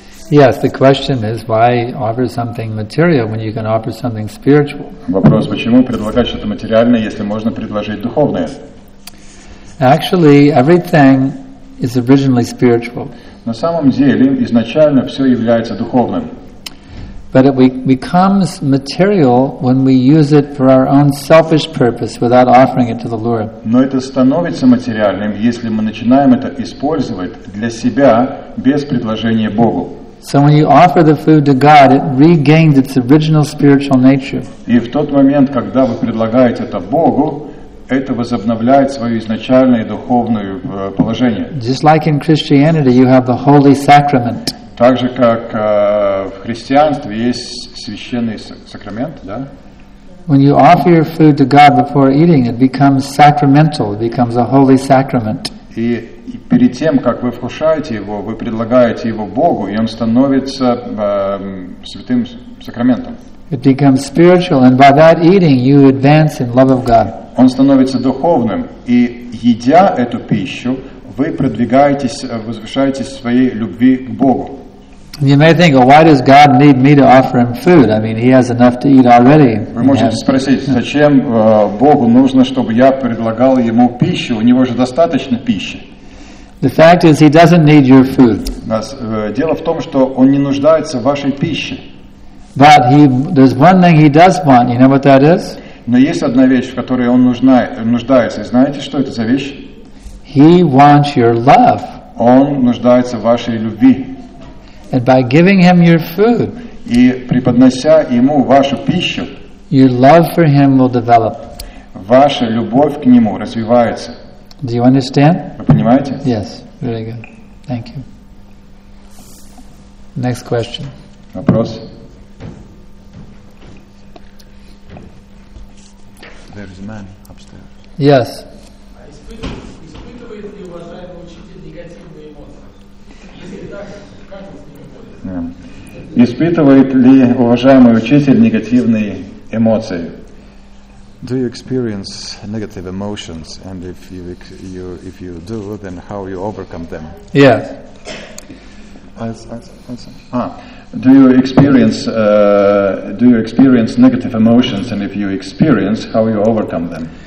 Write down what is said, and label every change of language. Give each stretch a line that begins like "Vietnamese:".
English: Yes, the question is why offer something material when you can offer something spiritual?
Russian: Вопрос, почему предлагать что-то материальное, если можно предложить духовное?
English: Actually, everything is originally spiritual.
Russian: На самом деле, изначально все является духовным.
English: But it becomes material when we use it for our own selfish purpose without offering it to the Lord.
Russian: Но это становится материальным, если мы начинаем это использовать для себя без предложения Богу.
English: So when you offer the food to God, it regains its original spiritual nature.
Russian: И в тот момент, когда вы предлагаете это Богу, это возобновляет свое изначальное духовное положение.
English: Just like in Christianity, you have the Holy Sacrament.
Russian: Так же, как в христианстве есть священный сакрамент, да?
English: When you offer your food to God before eating, it becomes sacramental, it becomes a holy sacrament.
Russian: И перед тем, как вы вкушаете его, вы предлагаете его Богу, и он становится святым сакраментом.
English: It becomes spiritual, and by that eating, you advance in love of God.
Russian: Он становится духовным, и едя эту пищу, вы продвигаетесь, возвышаетесь в своей любви к Богу.
English: You may think, well, why does God need me to offer him food? I mean, he has enough to eat already.
Russian: Вы можете спросить, зачем Богу нужно, чтобы я предлагал ему пищу? У него же достаточно пищи.
English: The fact is, he doesn't need your food.
Russian: Дело в том, что он не нуждается в вашей пище.
English: But there's one thing he does want. You know what that is?
Russian: Но есть одна вещь, в которой он нуждается. Знаете, что это за вещь?
English: He wants your love.
Russian: Он нуждается в вашей любви.
English: And by giving him your food,
Russian: и преподнося ему вашу пищу,
English: your love for him will develop.
Russian: Ваша любовь к нему развивается.
English: Do you understand?
Russian: Вы понимаете?
English: Yes, very good. Thank you. Next question.
Russian: Вопрос.
English: There is a man upstairs. Yes.
Russian: Испытывает ли уважаемый учитель негативные эмоции?
English: Do you experience negative emotions, and if you do, then how you overcome them? Yes. Do you experience negative emotions, and if you experience, how you overcome them?